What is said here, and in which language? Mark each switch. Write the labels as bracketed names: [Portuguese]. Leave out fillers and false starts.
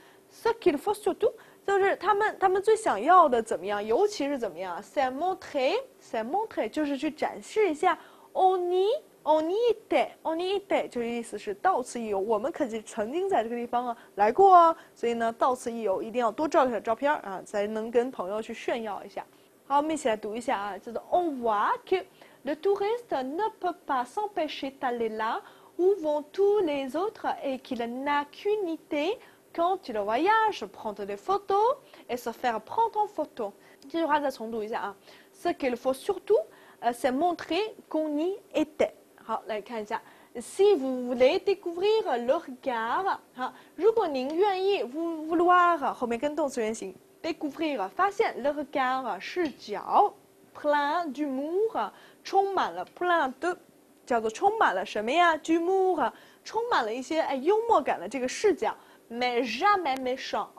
[French] ce qu'il faut surtout [Chinese] 就是他们最想要的怎么样，尤其是怎么样 [French] se montrer [Chinese] 就是去展示一下 [French] on y était [Chinese] 就是意思是到此一游，我们可是曾经在这个地方啊来过啊，所以呢到此一游一定要多照一下照片啊，才能跟朋友去炫耀一下。好，我们一起来读一下啊，叫做 [French] On voit que le touriste ne peut pas s'empêcher d'aller là où vont tous les autres et qu'il n'a qu'une idée quand il voyage, prendre des photos et se faire prendre en photo. [Chinese] 这句话再重读一下啊， [French] ce qu'il faut surtout c'est montrer qu'on y était. [Chinese] 好，来看一下 ， [French] si vous voulez découvrir le regard， [Chinese] 好，如果您愿意 vouloir 后面跟动词原形 découvrir 发现 le regard 视角 ，plein d'humour 充满了 plein de 叫做充满了什么呀 ？d'humour 充满了一些哎幽默感的这个视角 ， [French] mais jamais méchant。